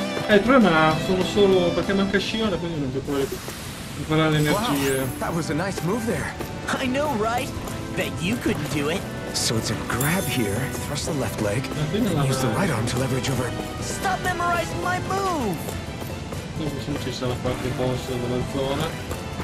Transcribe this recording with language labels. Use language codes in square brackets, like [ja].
[it] Il problema sono solo perché manca Shion, quindi non puoi recuperare le energie. [en] Wow, that was a nice move there. I know, right? Bet you couldn't do it. So it's a grab here, thrust the left leg, and use the right arm to leverage over. Stop memorizing my move! [it] Quindi se non ci sarà qualche boss nella zona.